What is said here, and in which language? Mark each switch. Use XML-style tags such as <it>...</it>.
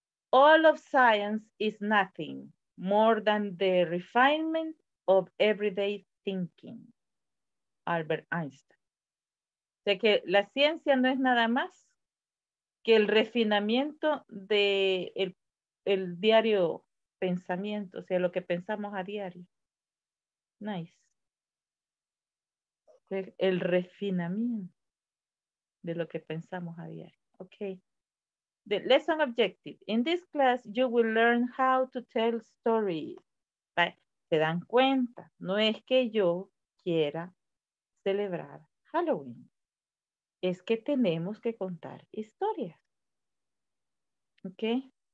<en>All of science is nothing more than the refinement of everyday thinking. Albert Einstein.</en> <es>O sea que la ciencia no es nada más que el refinamiento de el diario pensamiento, o sea, lo que pensamos a diario. Nice. El refinamiento de lo que pensamos a diario.</es> <en>Okay. The lesson objective. In this class, you will learn how to tell stories.</en> <es>¿Se dan cuenta? No es que yo quiera celebrar Halloween. Es que tenemos que contar historias. Okay.</es>